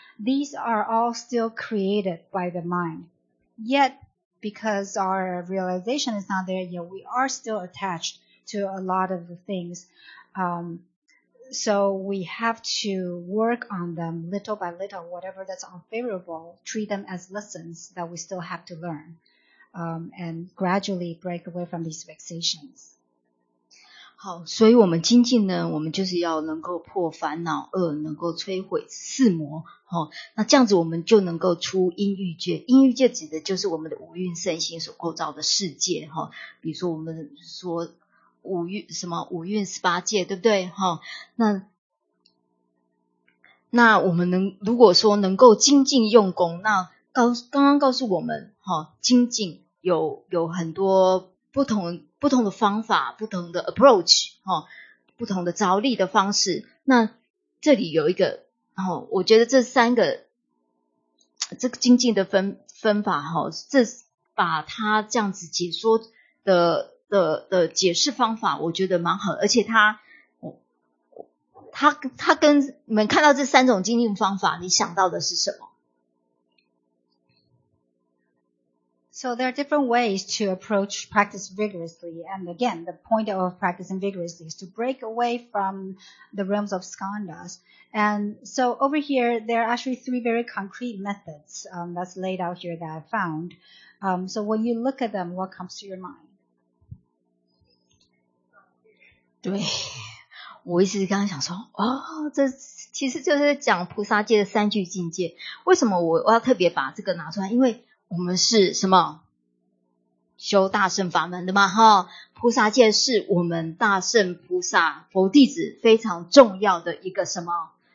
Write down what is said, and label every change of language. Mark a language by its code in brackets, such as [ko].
[en] These are all still created by the mind. Yet, because our realization is not there yet, we are still attached to a lot of the things. So we have to work on them little by little, whatever that's unfavorable, treat them as lessons that we still have to learn, and gradually break away from these vexations. [zh] 好，所以我们精进呢，我们就是要能够破烦恼恶，能够摧毁四魔，哦，那这样子我们就能够出阴欲界。阴欲界指的就是我们的五蕴身心所构造的世界，哦，比如说我们说五蕴什么五蕴十八界，对不对？哦，那我们能如果说能够精进用功，那刚刚告诉我们，哦，精进 有很多不同的方法，不同的 approach，哦，不同的着力的方式。那这里有一个，哦，我觉得这三个这个精进的分法，哦，这把它这样子解说 的解释方法我觉得蛮好，而且它跟你们看到这三种精进方法你想到的是什么？ [en] So there are different ways to approach practice vigorously. And again, the point of practicing vigorously is to break away from the realms of skandhas. And so over here, there are actually three very concrete methods that's laid out here that I found. So when you look at them, what comes to your mind? [zh] 对，我一直刚刚想说，哦，这其实就是讲菩萨戒的三句境界。为什么我要特别把这个拿出来？因为我们是什么修大乘法门的嘛，哈，菩萨戒是我们大乘菩萨佛弟子非常重要的一个什么